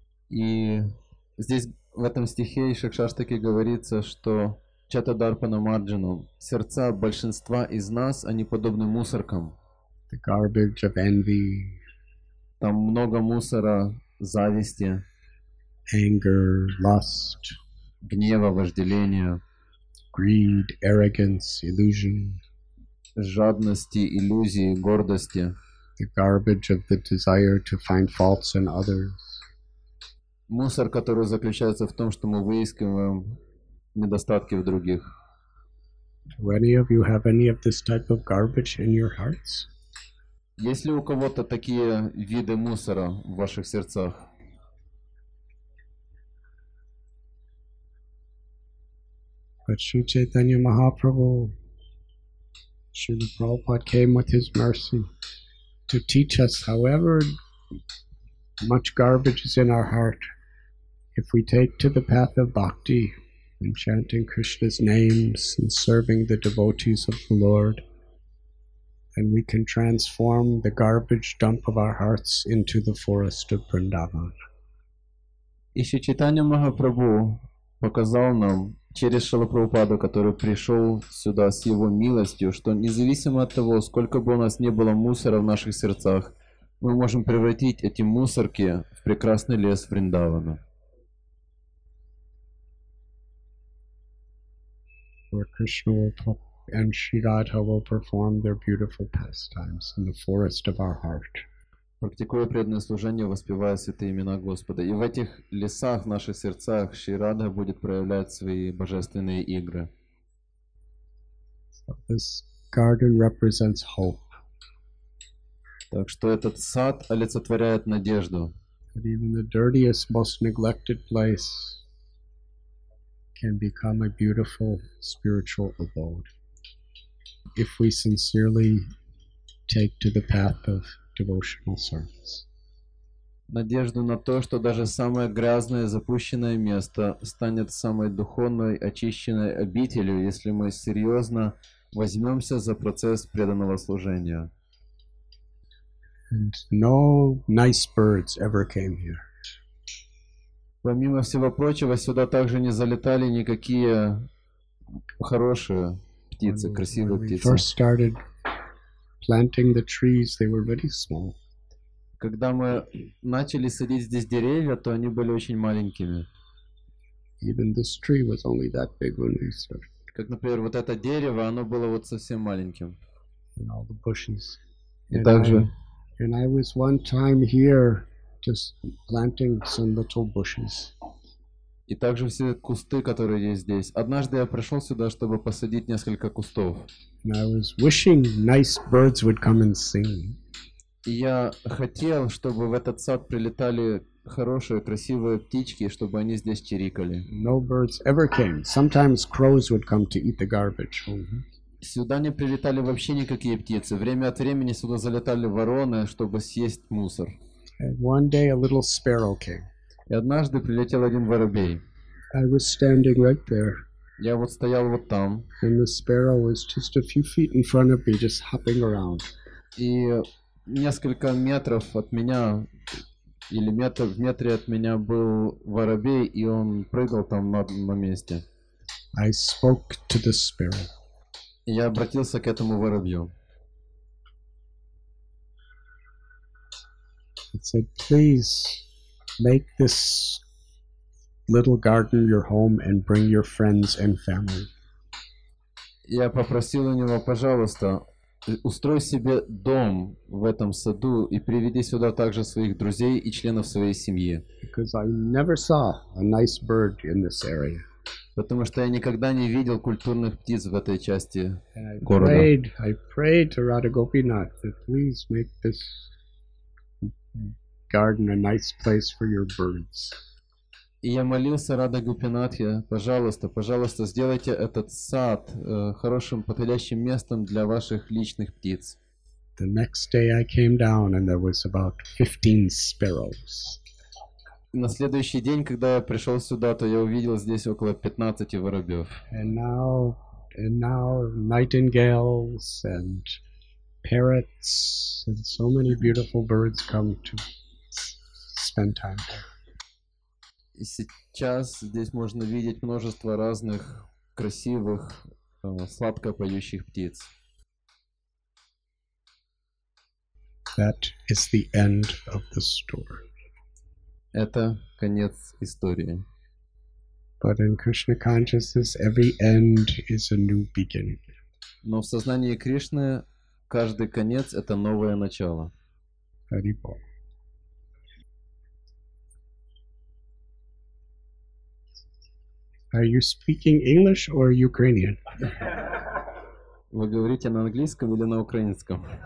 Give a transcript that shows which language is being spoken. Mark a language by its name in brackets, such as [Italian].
[Russian] И здесь в этом стихе Шакшаштаки говорится, что Чатадарпана Марджану. Сердца большинства из нас, они подобны мусоркам. [English] The garbage of envy. [Russian] Там много мусора, зависти. [English] Anger, lust. [Russian] Гнева, вожделения. [English] Greed, arrogance, illusion. [Russian] Жадности, иллюзии, гордости. [English] The garbage of the desire to find faults in others. [Russian] Мусор, который заключается в том, что мы выискиваем недостатки в других. [English] Do any of you have any of this type of garbage in your hearts? [Russian] Есть ли у кого-то такие виды мусора в ваших сердцах? [English] But Sri Chaitanya Mahaprabhu, Srila Prabhupada came with his mercy to teach us, however much garbage is in our heart, if we take to the path of bhakti, and chanting Krishna's names and serving the devotees of the Lord, and we can transform the garbage dump of our hearts into the forest of Vrindavan. [Russian] И Шри Чайтанья Махапрабху показал нам через Шрилу Прабхупаду, который пришел сюда с его милостью, что независимо от того, сколько бы у нас не было мусора в наших сердцах, мы можем превратить эти мусорки в прекрасный лес Вриндавана. [English] Where Krishna and Sri Radha will perform their beautiful pastimes in the forest of our heart. [Russian] Практикуя преданное служение, воспевая святые имена Господа, и в этих лесах, в наших сердцах, Шри Радха будет проявлять свои божественные игры. [English] So this garden represents hope. [Russian] Так что этот сад олицетворяет надежду. [English] That even the dirtiest, most neglected place can become a beautiful spiritual abode if we sincerely take to the path of devotional service. [Russian] Надежду на то, что даже самое грязное, запущенное место станет самой духовной, очищенной обителью, если мы серьезно возьмемся за процесс преданного служения. [English] And no nice birds ever came here. [Russian] Помимо всего прочего, сюда также не залетали никакие хорошие птицы, красивые [English] when [Russian] птицы. [English] We first started planting the trees, they were very small. [Russian] Когда мы начали садить здесь деревья, то они были очень маленькими. [English] Even this tree was only that big when we started. [Russian] Как, например, вот это дерево, оно было вот совсем маленьким. [English] And all the bushes. [Russian] И также... [English] And I was one time here just planting some little bushes. [Russian] И также все кусты, которые есть здесь. Однажды я пришел сюда, чтобы посадить несколько кустов. [English] And I was wishing nice birds would come and sing. [Russian] И я хотел, чтобы в этот сад прилетали хорошие, красивые птички, чтобы они здесь чирикали. [English] No birds ever came. Sometimes crows would come to eat the garbage. Mm-hmm. [Russian] Сюда не прилетали вообще никакие птицы. Время от времени сюда залетали вороны, чтобы съесть мусор. [English] And one day a little sparrow came. [Russian] И однажды прилетел один воробей. [English] I was standing right there. [Russian] Я вот стоял вот там. [English] And the sparrow was just a few feet in front of me, just hopping around. [Russian] И несколько метров от меня, или метр, в метре от меня был воробей, и он прыгал там на месте. [English] I spoke to the sparrow. [Russian] Я обратился к этому воробью. [English] It said, please make this little garden your home and bring your friends and family. [Russian] Я попросил у него, пожалуйста, устрой себе дом в этом саду и приведи сюда также своих друзей и членов своей семьи. [English] Because I never saw a nice bird in this area. [Russian] Потому что я никогда не видел культурных птиц в этой части города. [English] I prayed to Radha Gopinath that please make this garden a nice place for your birds. [Russian] И я молился Радха Гопинатхе, пожалуйста, пожалуйста, сделайте этот сад хорошим, подходящим местом для ваших личных птиц. [English] The next day I came down and there was about 15 sparrows. [Russian] На следующий день, когда я пришел сюда, то я увидел здесь около 15 воробьев. [English] And now nightingales and parrots and so many beautiful birds come to spend time here. [Russian] И сейчас здесь можно видеть множество разных красивых, сладко поющих птиц. [English] That is the end of the story. [Russian] Это конец истории. [English] But in Krishna consciousness, every end is a new beginning. [Russian] Но в сознании Кришны каждый конец — это новое начало. [English] Hari Bol. Are you speaking English or Ukrainian? [Russian] Вы говорите на английском или на украинском?